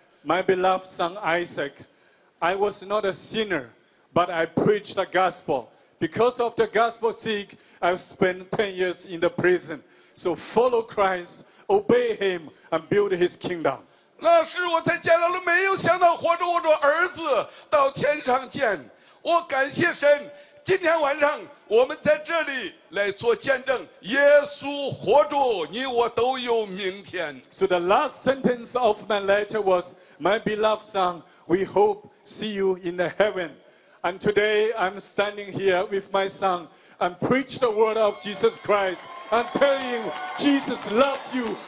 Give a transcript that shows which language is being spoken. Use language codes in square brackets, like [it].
[en] My beloved son Isaac, I was not a sinner, but I preached the gospel. Because of the gospel sake, I've spent 10 years in the prison. So follow Christ, obey him, and build his kingdom. [zh] 那是我在监牢里没有想到活着我的儿子到天上见。我感谢神，今天晚上我们在这里来做见证，耶稣活着，你我都有明天。 [en] So the last sentence of my letter was, my beloved son, we hope see you in the heaven. And today I'm standing here with my son and preach the word of Jesus Christ and tell you Jesus loves you.